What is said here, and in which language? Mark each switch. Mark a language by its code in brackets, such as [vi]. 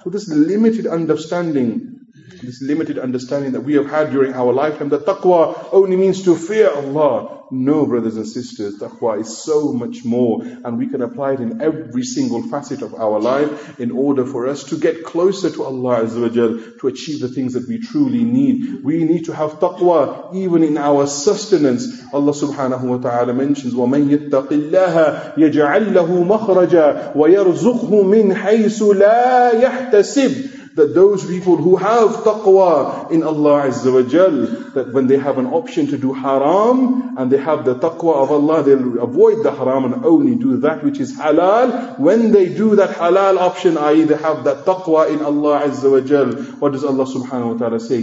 [en] So this limited understanding, this limited understanding that we have had during our lifetime, that taqwa only means to fear Allah. No, brothers and sisters, taqwa is so much more, and we can apply it in every single facet of our life in order for us to get closer to Allah Azza wa Jal, to achieve the things that we truly need. We need to have taqwa even in our sustenance. [ar] Allah subhanahu wa ta'ala mentions, وَمَنْ يَتَّقِ اللَّهَ يَجْعَلْ لَهُ مَخْرَجًا وَيَرْزُقْهُ مِنْ حَيْثُ لَا يَحْتَسِبْ. [en] That those people who have taqwa in Allah Azza wa Jal, that when they have an option to do haram and they have the taqwa of Allah, they'll avoid the haram and only do that which is halal. When they do that halal option, i.e. they have that taqwa in Allah Azza wa Jal, what does Allah subhanahu wa ta'ala say?